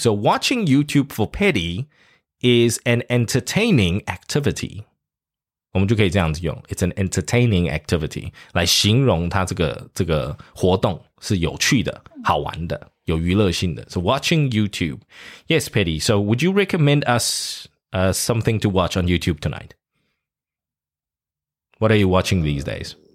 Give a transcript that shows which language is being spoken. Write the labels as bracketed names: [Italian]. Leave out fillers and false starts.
[English] So watching YouTube for Petty is an entertaining activity. [Chinese] 我们就可以这样子用。 [English] It's an entertaining activity. [Chinese] 来形容它这个活动是有趣的、好玩的、有娱乐性的。 [English] So watching YouTube. Yes, Petty. So would you recommend us something to watch on YouTube tonight? What are you watching these days?